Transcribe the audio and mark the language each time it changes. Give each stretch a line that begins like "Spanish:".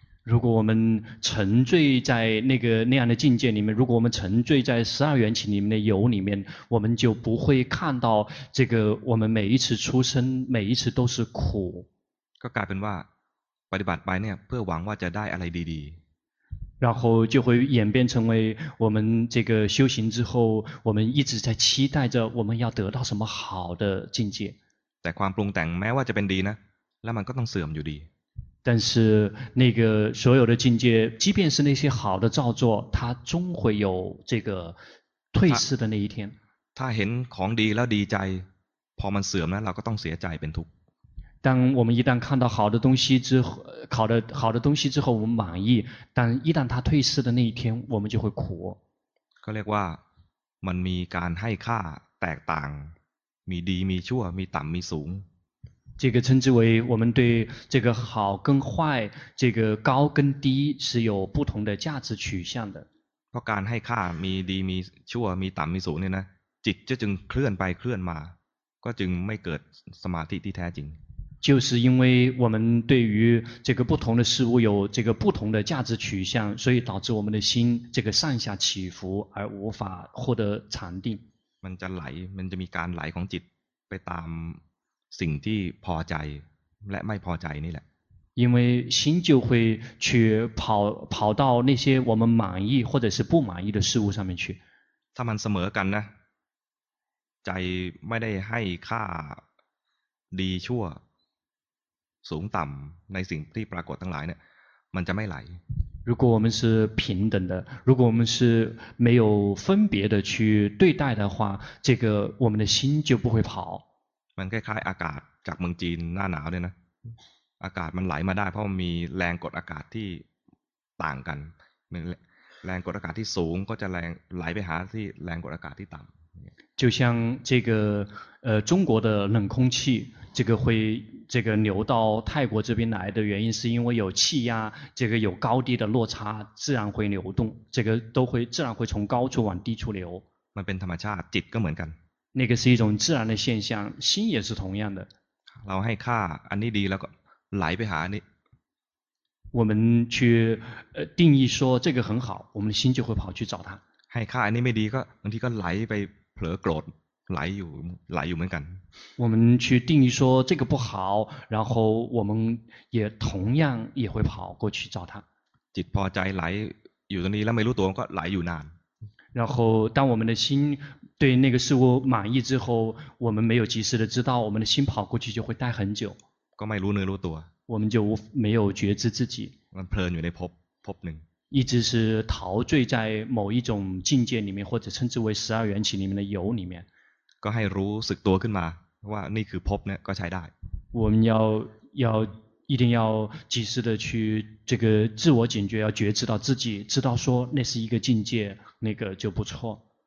Chinese: 如果我们沉醉在那样的境界里面，如果我们沉醉在十二缘起里面的有里面，我们就不会看到这个我们每一次出生每一次都是苦。
Thai: ก็กลายเป็นว่าปฏิบัติไปเนี่ยเพื่อหวังว่าจะได้อะไรดี
Chinese: ๆ然后就会演变成为我们这个修行之后，我们一直在期待着我们要得到什么好的境界。
Thai: แต่ความปรุงแต่งแม้ว่าจะเป็นดีนะแล้วมันก็ต้องเสื่อมอยู่ดี
Chinese: 但是那个所有的境界，即便是那些好的造作，它终会有这个退失的那一天。他见
Thai: ของดีแล้วดีใจ，พอมันเสื่อมแล้วเราก็ต้องเสียใจเป็นทุกข์。
Chinese: 当我们一旦看到好的东西之后，好的东西之后我们满意，但一旦它退失的那一天，我们就会苦。
Thai: ก็เรียกว่ามันมีการให้ค่าแตกต่างมีดีมีชั่วมีต่ำมีสูง。
Chinese: 这个称之为我们对这个好跟坏，这个高跟低是有不同的价值取向的。
Thai: เพราะการให้ค่ามีดีมีชั่วมีต่ำมีสูงเนี่ยนะจิตจึงเคลื่อนไปเคลื่อนมาก็จึงไม่เกิดสมาธิที่แท้จริง。
Chinese: 就是因为我们对于这个不同的事物有这个不同的价值取向，所以导致我们的心这个上下起伏，而无法获得禅定。
Thai: มันจะไหลมันจะมีการไหลของจิตไปตามสิ่งที่พอใจและไม่พอใจนี่แหละ
Chinese: 因为心就会去跑到那些我们满意或者是不满意的事物上面去
Thai: ถ้ามันเสมอกันนะใจไม่ได้ให้ค่าดีชั่วสูงต่ำในสิ่งที่ปรากฏทั้งหลายเนี่ยมันจะไม่ไหล
Chinese: 如果我们是平等的，如果我们是没有分别的去对待的话，这个我们的心就不会跑
Thai: มันคล้ายๆอากาศจากเมืองจีนหน้าหนาวเนี่ยนะอากาศมันไหลมาได้เพราะมันมีแรงกดอากาศที่ต่างกันแรงกดอากาศที่สูงก็จะแรงไหลไปหาที่แรงกดอากาศที่ต่ำ
Chinese: 就像这个中国的冷空气这个会这个流到泰国这边来的原因是因为有气压这个有高低的落差自然会流动这个都会自然会从高处往低处流
Thai: มันเป็นธรรมชาติจิตก็เหมือนกัน นั่นก็คือ
Chinese: 一种自然的现象心也是同样的
Thai: เราให้ค่าอันนี้ดีแล้วก็ไหลไปหาอันนี้
Chinese: 我们去定义说这个很好我们的心就会跑去找它
Thai: ให้ค่าอันนี้ไม่ดีก็บางทีก็ไหลไปเผลอโกรธไหลอยู่เหมือนกัน
Chinese: 我们去定义说这个不好然后我们也同样也会跑过去找它
Thai: จิตพอใจไหลอยู่ตรงนี้แล้วไม่รู้ตัวก็ไหลอยู่นาน
Chinese: 然后当我们的心对那个事物满意之后我们没有及时的知道我们的心跑过去就会待很久
Thai: ก็ไม่รู้เนื้อรู้ตัว
Chinese: 我们就没有觉知自己
Thai: มันเพลินอยู่ในภพหนึ่ง
Chinese: 一直是陶醉在某一种境界里面或者称之为十二缘起里面的有里面
Thai: ก็ให้รู้สึกตัวขึ้นมาว่านี่คือภพเนี่ยก็ใช้ได้
Chinese: 我们要一定要及时的去这个自我警觉要觉知到自己知道说那是一个境界那个就不错